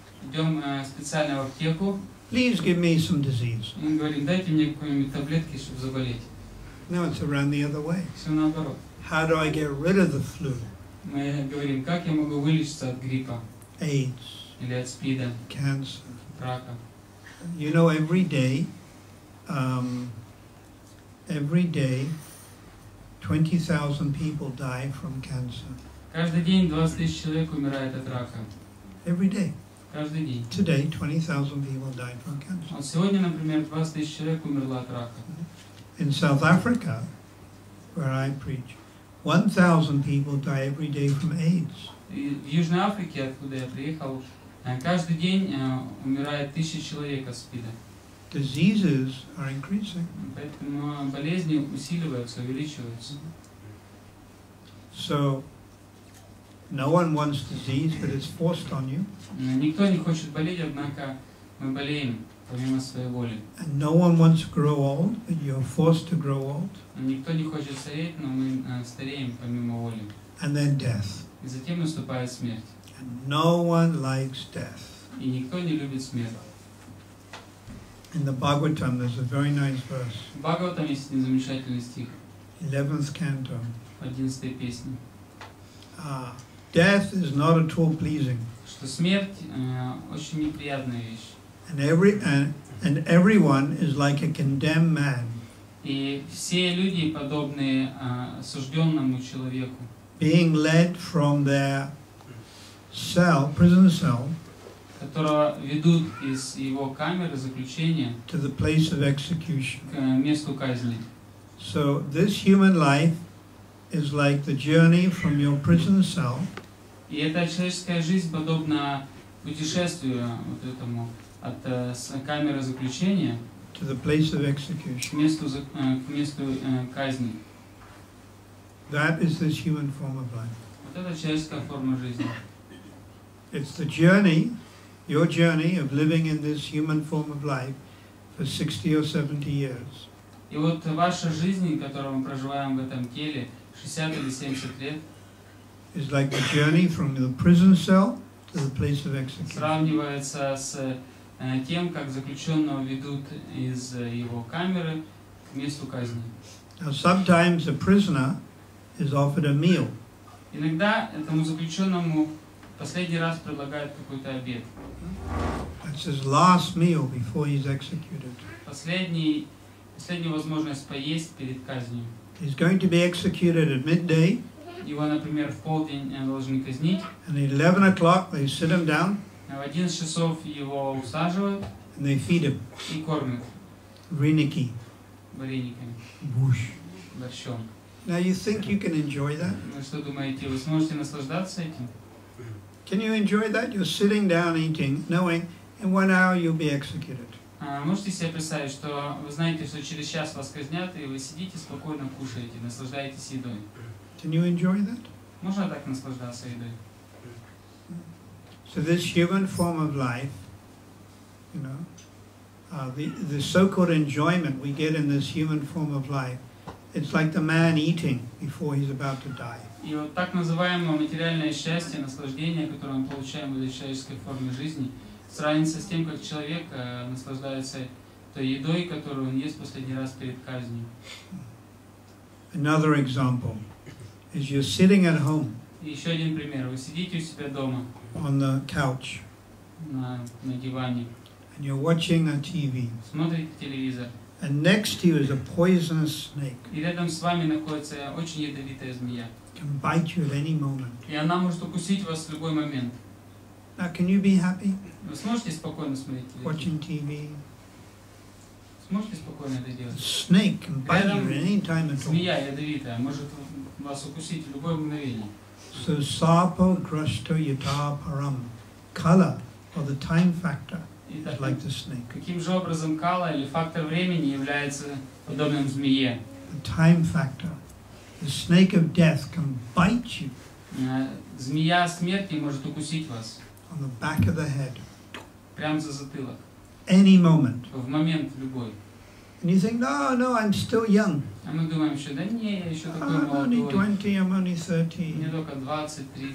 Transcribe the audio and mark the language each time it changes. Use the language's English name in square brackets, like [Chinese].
[Russian] Идем специально в аптеку. [English] Please give me some disease. [Russian] Мы говорим, дайте мне какую-нибудь таблетки, чтобы заболеть. [English] No, it's around the other way. [Russian] Все наоборот. [English] how do I get rid of the flu? [Russian] Мы говорим, как я могу вылечиться от гриппа? [English] AIDS. [Russian] Или от СПИДа. [English] Cancer. [Russian] Рака. [English] You know, every day, 20,000 people die from cancer. [Russian] Каждый день 20,000 человек умирает от рака. [English] Every day. [Russian] Каждый день. [English] Today, 20,000 people died from cancer. [Russian] А сегодня, например, 20,000 человек умерло от рака. [English] In South Africa, where I preach, 1,000 people die every day from AIDS. [Russian] В Южной Африке, откуда я приехал, каждый день умирает 1,000 человек от СПИДа. [English] Diseases are increasing. [Russian] Поэтому болезни усиливаются, увеличиваются. [English] So, no one wants disease, but it's forced on you. [Russian] Никто не хочет болеть, однако мы болеем. Помимо своей воли. [English] And no one wants to grow old, but you're forced to grow old. [Russian] Никто не хочет стареть, но мы стареем помимо воли. [English] And then death. [Russian] И затем наступает смерть. [English] And no one likes death. [Russian] И никто не любит смерть. [English] In the Bhagavatam, there's a very nice verse. [Russian] В Бхагаватам есть замечательный стих. [English] 11th canto. [Russian] 11 песня. [English] Death is not at all pleasing. [Russian] Что смерть очень неприятная вещь. [English] And everyone is like a condemned man. [Russian] И все люди подобны осужденному человеку. [English] Being led from their cell, prison cell, [Russian] которого ведут из его камеры заключения, [English] to the place of execution, [Russian] к месту казни. [English] So this human life is like the journey from your prison cell. [Russian] И эта человеческая жизнь подобна путешествию вот этому. От камеры заключения [English] to the place of execution. [Russian] к месту казни. [English] That is this human form of life. [Russian] Вот это человеческая форма жизни. [English] It's the journey, your journey of living in this human form of life for 60 or 70 years. [Russian] И вот ваша жизнь, которую мы проживаем в этом теле 60 или 70 лет, [English] is like the journey from the prison cell to the place of execution. [Russian] Сравнивается с тем, как заключенного ведут из его камеры к месту казни. [English] Now, sometimes a prisoner is offered a meal. [Russian] Иногда этому заключенному последний раз предлагают какой-то обед. [English] That's his last meal before he's executed. [Russian] Последняя возможность поесть перед казнью. [English] He's going to be executed at midday. [Russian] Его, например, в полдень должны казнить. [English] And at 11 o'clock they sit him down. [Russian] В 11 часов его усаживают. [English] And they feed him. [Russian] И кормят. Вареники. Варениками. Буш. Борщом. [English] Now you think you can enjoy that? [Russian] Ну что думаете, вы сможете наслаждаться этим? [English] Can you enjoy that? You're sitting down eating, knowing in 1 hour you'll be executed. [Russian] Можете себе представить, что вы знаете, что через час вас казнят, и вы сидите спокойно кушаете, наслаждаетесь едой. [English] Can you enjoy that? [Russian] Можно так наслаждаться едой? [English] So this human form of life, you know, the so-called enjoyment we get in this human form of life, it's like the man eating before he's about to die. [Russian] И вот так называемое материальное счастье, наслаждение, которое мы получаем в этой человеческой форме жизни, сравнится с тем, как человек наслаждается той едой, которую он ест последний раз перед казнью. [English] Another example is you're sitting at home. [Russian] Еще один пример. Вы сидите у себя дома. [English] On the couch. [Russian] На диване. [English] And you're watching a TV. [Russian] Смотрите телевизор. [English] And next to you is a poisonous snake. [Russian] И рядом с вами находится очень ядовитая змея. [English] Can bite you at any moment. [Russian] И она может укусить вас в любой момент. [English] Now can you be happy? [Russian] Вы сможете спокойно смотреть телевизор? [English] Watching TV. [Russian] Сможете спокойно это делать? [English] The snake can bite you at any time at all. [Russian] Змея ядовитая может вас укусить в любое мгновение. [English] So [Sanskrit] sapo grashto yata param, [English] kala, or the time factor, is like the snake. [Russian] Каким же образом кала или фактор времени является подобным змее? [English] The time factor, the snake of death can bite you. [Russian] Змея смерти может укусить вас. [English] On the back of the head. [Russian] Прямо за затылок. [English] Any moment. [Russian] В момент любой. [English] And you think, no, I'm still young. [Russian] А мы думаем еще, да не, я еще такой молодой. [English] I'm only 20, I'm only 30. [Russian] Мне только 20-30.